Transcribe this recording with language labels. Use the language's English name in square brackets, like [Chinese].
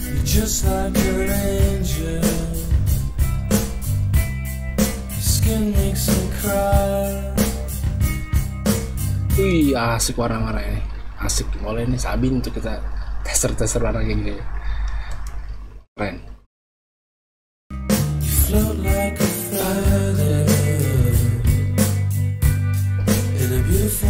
[English] Just like an angel, your skin makes me cry. [Indonesian] Wih, asik warna-warna ini. Asik, boleh nih sabin untuk kita tester-tester warna kayak gini. Keren. [English] You float like a feather in a beautiful.